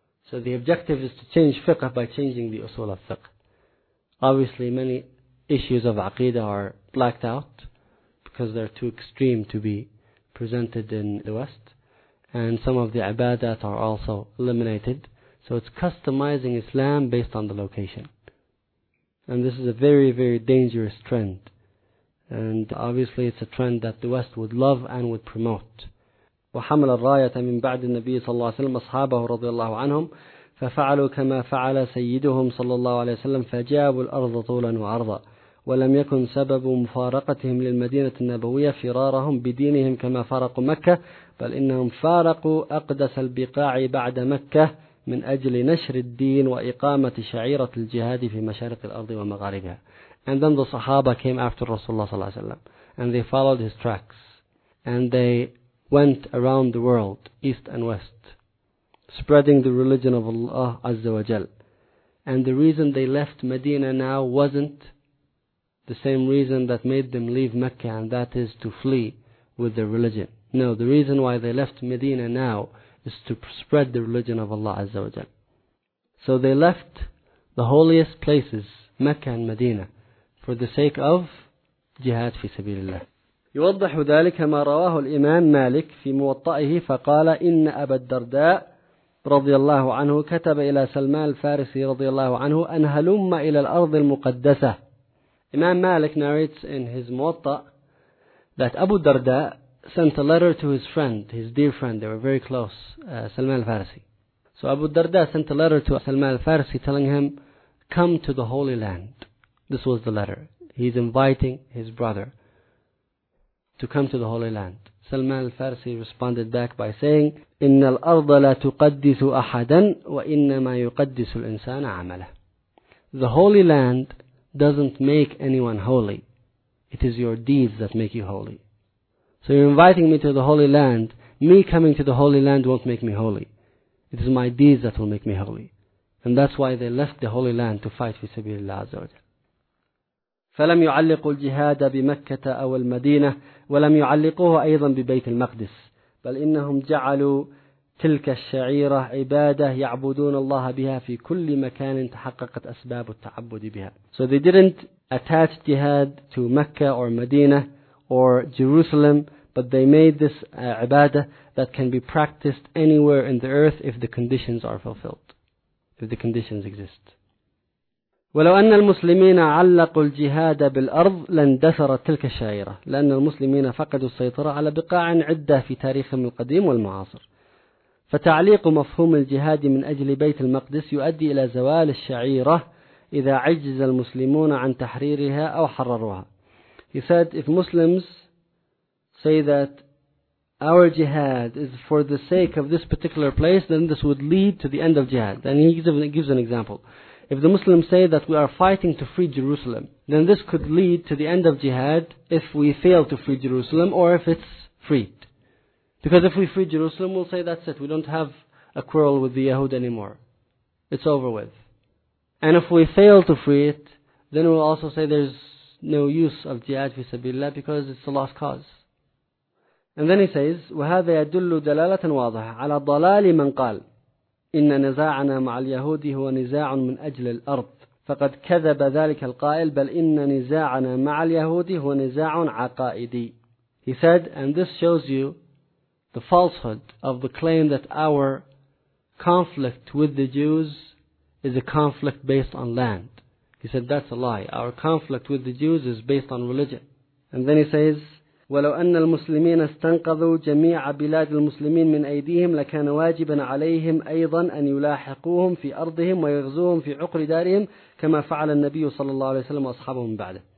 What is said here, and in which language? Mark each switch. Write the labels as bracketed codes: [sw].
[en] So the objective is to change fiqh by changing the usul of fiqh. Obviously many issues of aqidah are blacked out because they're too extreme to be presented in the West. And some of the ibadat are also eliminated. So it's customizing Islam based on the location. And this is a very, very dangerous trend. And obviously it's a trend that the West would love and would promote. [ar] وحمل الراية من بعد النبي صلى الله عليه وسلم أصحابه رضي الله عنهم ففعلوا كما فعل سيدهم صلى الله عليه وسلم فجابوا الأرض طولا وعرضا ولم يكن سبب مفارقتهم للمدينة النبوية فرارهم بدينهم كما فارقوا مكة بل إنهم فارقوا أقدس البقاع بعد مكة من أجل نشر الدين وإقامة شعيرة الجهاد في مشارق الأرض ومغاربها [en] And then the Sahaba came after Rasulullah [ar] صلى الله عليه وسلم [en] And they followed his tracks And they went around the world, east and west, spreading the religion of Allah Azza wa Jal. And the reason they left Medina now wasn't the same reason that made them leave Mecca, and that is to flee with their religion. No, the reason why they left Medina now is to spread the religion of Allah Azza wa Jal. So they left the holiest places, Mecca and Medina, for the sake of jihad fi sabilillah. [ar] يوضح ذلك ما رواه الإمام مالك في موطئه فقال إن أبا الدرداء رضي الله عنه كتب إلى سلمان الفارسي رضي الله عنه أن هلم إلى الأرض المقدسة إمام مالك [en] narrates in his موطأ that Abu Darda sent a letter to his friend, his dear friend, they were very close, [ar] سلمان الفارسي. [en] So Abu Darda sent a letter to سلمان الفارسي telling him, come to the Holy Land. This was the letter. He's inviting his brother to come to the Holy Land. Salman al-Farsi responded back by saying, [ar] إِنَّ الْأَرْضَ لَا تُقَدِّسُ أَحَدًا وَإِنَّمَا يُقَدِّسُ الْإِنسَانَ عَمَلَهُ [en] The Holy Land doesn't make anyone holy. It is your deeds that make you holy. So you're inviting me to the Holy Land. Me coming to the Holy Land won't make me holy. It is my deeds that will make me holy. And that's why they left the Holy Land to fight [ar] في سبيل الله عز وجل. فلم يعلقوا الجهاد بمكة أو المدينة، ولم يعلقوه أيضا ببيت المقدس، بل إنهم جعلوا تلك الشعيرة عبادة يعبدون الله بها في كل مكان تحققت أسباب التعبد بها. [en] So they didn't attach jihad to Mecca or Medina or Jerusalem, but they made this ibadah that can be practiced anywhere in the earth if the conditions are fulfilled, if the conditions exist. [ar] ولو أن المسلمين علقوا الجهاد بالأرض لاندثرت تلك الشعيرة، لأن المسلمين فقدوا السيطرة على بقاع عدة في تاريخهم القديم والمعاصر. فتعليق مفهوم الجهاد من أجل بيت المقدس يؤدي إلى زوال الشعيرة إذا عجز المسلمون عن تحريرها أو حرروها. [en] He said, if Muslims say that our jihad is for the sake of this particular place, then this would lead to the end of jihad. And he gives an example. If the Muslims say that we are fighting to free Jerusalem, then this could lead to the end of jihad if we fail to free Jerusalem or if it's freed. Because if we free Jerusalem, we'll say that's it. We don't have a quarrel with the Yahud anymore. It's over with. And if we fail to free it, then we'll also say there's no use of jihad fi sabilillah because it's a lost cause. And then he says, [ar] وَهَذَا يَدُلُّ دَلَالَةً وَاضَحَةً عَلَى ضَلَالِ مَنْ قَالَ إن نزاعنا مع اليهود هو نزاع من أجل الأرض فقد كذب ذلك القائل بل إن نزاعنا مع اليهود هو نزاع عقائدي. [en] He said, and this shows you the falsehood of the claim that our conflict with the Jews is a conflict based on land. He said, that's a lie. Our conflict with the Jews is based on religion. And then he says, [ar] ولو أن المسلمين استنقذوا جميع بلاد المسلمين من أيديهم لكان واجبا عليهم أيضا أن يلاحقوهم في أرضهم ويغزوهم في عقر دارهم كما فعل النبي صلى الله عليه وسلم وأصحابه من بعده.